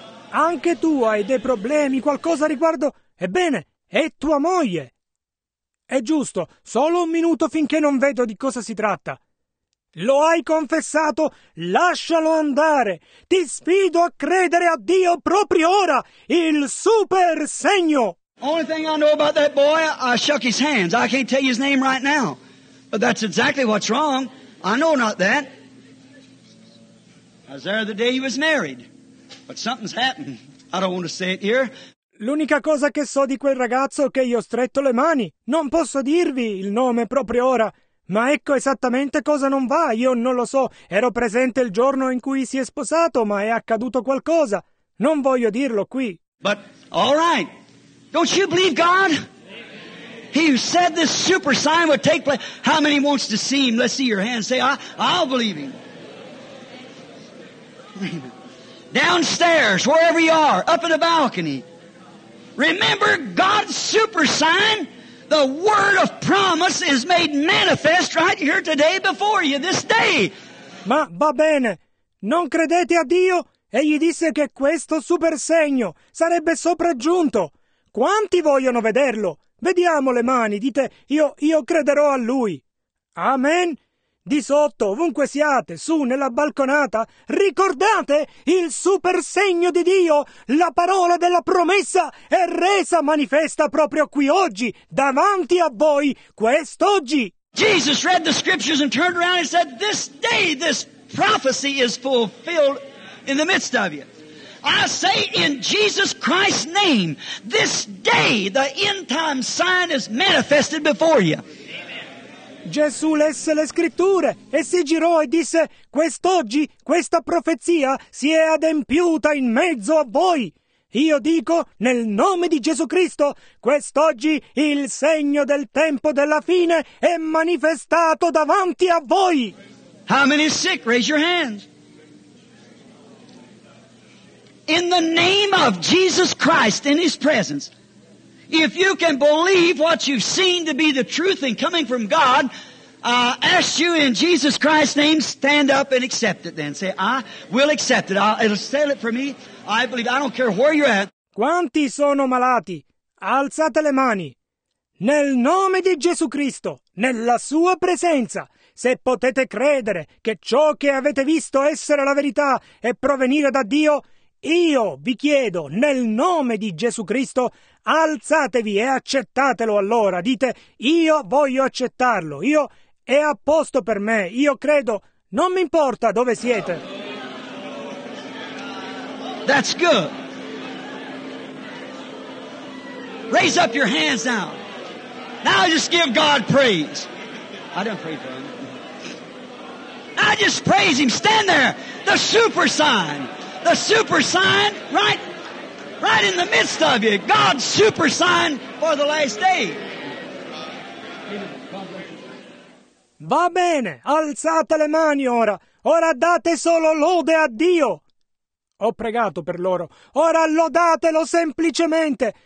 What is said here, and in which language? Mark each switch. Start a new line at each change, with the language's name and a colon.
Italian: Anche tu hai dei problemi, qualcosa riguardo... Ebbene, è tua moglie. È giusto, solo un minuto finché non vedo di cosa si tratta. Lo hai confessato, lascialo andare. Ti sfido a credere a Dio proprio ora, il super segno.
English: Only thing I know about that boy, I shook his hands. I can't tell you his name right now. But that's exactly what's wrong. I know not that. I was there the day he was married. But something's happened. I don't want to say it here.
Italian: L'unica cosa che so di quel ragazzo è che gli ho stretto le mani. Non posso dirvi il nome proprio ora. Ma ecco esattamente cosa non va, io non lo so. Ero presente il giorno in cui si è sposato, ma è accaduto qualcosa. Non voglio dirlo qui.
English: But, all right, don't you believe God? He said this super sign would take place. How many wants to see him? Let's see your hands. Say, I'll believe him. Downstairs, wherever you are, up in the balcony. Remember God's super sign? The word of promise is made manifest right here today before you, this day.
Italian: Ma va bene. Non credete a Dio? Egli disse che questo super segno sarebbe sopraggiunto. Quanti vogliono vederlo? Vediamo le mani, dite, io crederò a lui. Amen. Di sotto, ovunque siate, su, nella balconata, ricordate il super segno di Dio, la parola della promessa è resa manifesta proprio qui oggi, davanti a voi, quest'oggi.
English: Jesus read the scriptures and turned around and said, this day this prophecy is fulfilled in the midst of you. I say in Jesus Christ's name, this day the end time sign is manifested before you.
Italian: Gesù lesse le scritture e si girò e disse, quest'oggi questa profezia si è adempiuta in mezzo a voi. Io dico, nel nome di Gesù Cristo, quest'oggi il segno del tempo della fine è manifestato davanti a voi.
English: How many sick? Raise your hands. In the name of Jesus Christ, in His presence, if you can believe what you've seen to be the truth and coming from God, I ask you in Jesus Christ's name, stand up and accept it then. Say, I will accept it. It'll settle it for me. I believe. I don't care where you're at.
Italian: Quanti sono malati? Alzate le mani. Nel nome di Gesù Cristo, nella Sua presenza, se potete credere che ciò che avete visto essere la verità e provenire da Dio, io vi chiedo, nel nome di Gesù Cristo, alzatevi e accettatelo allora. Dite, io voglio accettarlo. Io è a posto per me. Io credo. Non mi importa dove siete.
English: That's good. Raise up your hands now. Now just give God praise. I don't pray for him. Now just praise him. Stand there. The super sign. The super sign, right in the midst of you. God's super sign for the last day.
Italian: Va bene, alzate le mani ora. Ora date solo lode a Dio. Ho pregato per loro. Ora lodatelo semplicemente.